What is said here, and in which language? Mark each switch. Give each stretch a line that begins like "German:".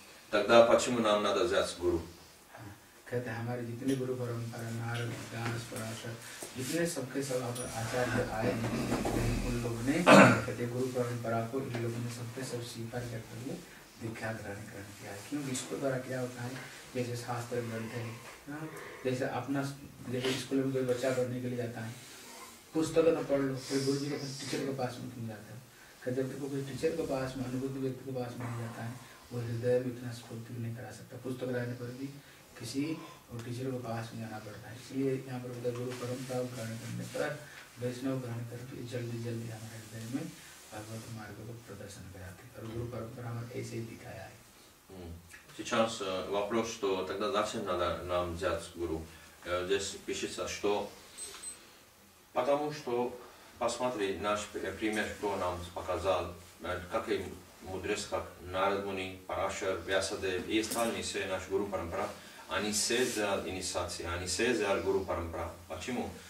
Russian: Тогда почему нам надо взять гуру?
Hindi: कहते हैं हमारे जितने गुरु परंपरा नारद व्यास पराशर जितने सबके सब आचार्य आए हैं उन लोगों ने कहते गुरु परंपरा को इन लोगों ने सबके सब स्वीकार करते हुए दीक्षा ग्रहण कर दिया है। क्योंकि इसके द्वारा क्या होता है जैसे शास्त्र ग्रंथ है जैसे अपना जैसे स्कूल में कोई बच्चा पढ़ने के लिए जाता है पुस्तक तो पढ़ लो फिर गुरु जी के टीचर के पास में क्यों जाता है। कहते जब तक कोई टीचर के पास में अनुभूति व्यक्ति के पास में नहीं जाता है वो हृदय में इतना स्फूर्ति नहीं करा सकता पुस्तक रहने पर भी किसी और टीचर को पास में जाना पड़ता है। इसलिए यहाँ पर उधर गुरु परंपरा ग्रहण करने पर वैष्णव ग्रहण करके जल्दी जल्दी हमारे हृदय में भगवत मार्ग को प्रदर्शन कराते और गुरु परंपरा हमें ऐसे ही दिखाया है।
Russian: Сейчас вопрос, что тогда зачем надо нам взять гуру? Здесь пишется, что потому что, посмотри, наш пример, кто нам показал, как и мудрец, как Нарад Муни, Парашар, Вьясадев и остальные, все наши гуру парампара, они все за инициации, они все за гуру парампара. Почему?